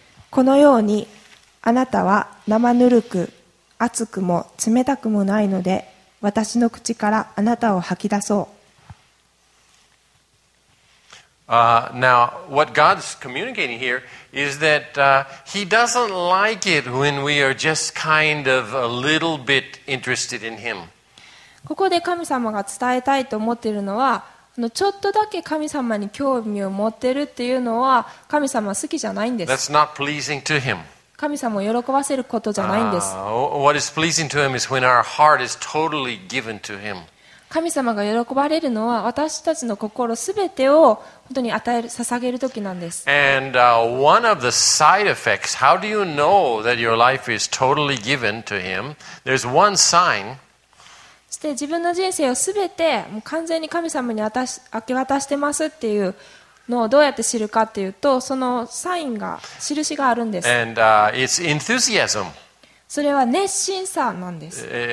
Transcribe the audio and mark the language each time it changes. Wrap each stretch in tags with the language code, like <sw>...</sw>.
<ja>このようにあなたは生ぬるく熱くも冷たくもないので、私の口からあなたを吐き出そう。</ja> <en>Now, what God's communicating here is that He doesn't like it when we are just kind of a little bit interested in Him.</en> <ja>ここで神様が伝えたいと思っているのは、ちょっとだけ神様に興味を持ってるっていうのは、神様は好きじゃないんです。</ja> <en>That's not pleasing to Him.</en> <ja>神様を喜ばせることじゃないんです。</ja> <en>What is pleasing to him is when our heart is totally given to him.</en> <ja>神様が喜ばれるのは私たちの心すべてを本当に捧げる時なんです。</ja> <en>And one of the side effects, how do you know that your life is totally given to him? There's one sign.</en> <ja>そして自分の人生をすべてもう完全に神様に明け渡してますっていう。のどうやって知るかっていうと、そのサインが印があるんです。</ja> <en>And, it's enthusiasm.</en> <ja>それは熱心さなんです。</ja>